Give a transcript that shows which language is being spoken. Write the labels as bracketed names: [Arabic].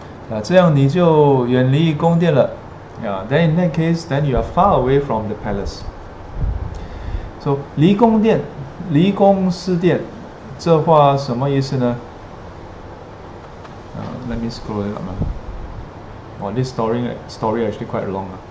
[Chinese] Yeah, 这样你就远离宫殿了。 [English] Yeah, then in that case, then you are far away from the palace. [Chinese] So, 离宫殿，离宫失殿，这话什么意思呢？ [English] Let me scroll it up. Well, this story actually quite long.